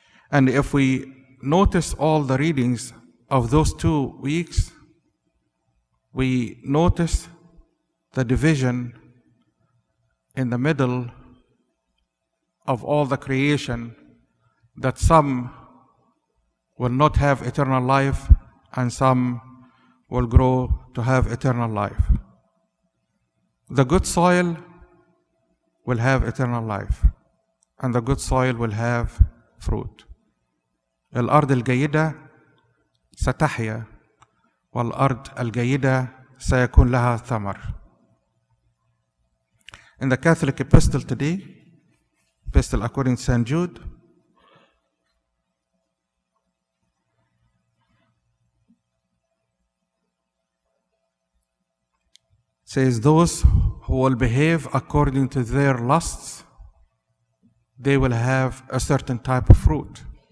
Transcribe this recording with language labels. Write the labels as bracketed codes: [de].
[en] And if we notice all the readings of those 2 weeks, we notice the division in the middle of all the creation, that some will not have eternal life and some will grow to have eternal life. The good soil will have eternal life and the good soil will have fruit. [ar] الأرض الجيدة ستحيا والأرض الجيدة سيكون لها ثمر. [en] In the Catholic Epistle today, Epistle according to St. Jude, says those who will behave according to their lusts, they will have a certain type of fruit.